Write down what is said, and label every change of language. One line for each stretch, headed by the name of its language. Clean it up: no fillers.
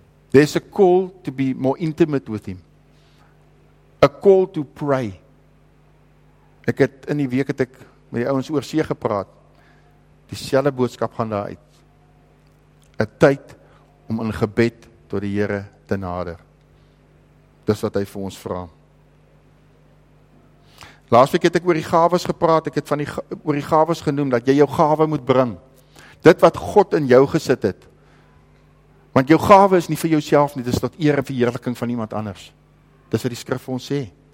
English: There's a call to be more intimate with him. A call to pray.
Afrikaans: Ek het in die week het ek met die ouens oor see gepraat. Dieselfde boodskap gaan daar uit. 'N tyd om in gebed tot die Here te nader. Dis wat hy vir ons vra. Laasweek het ek oor die gawes gepraat. Ek het van die oor die gawes genoem dat jy jou gawe moet bring. Dit wat God in jou gesit het. Want jou gawe is nie vir jouself nie, dis tot eer en verheerliking van iemand anders. Dis wat die skrif vir ons sê.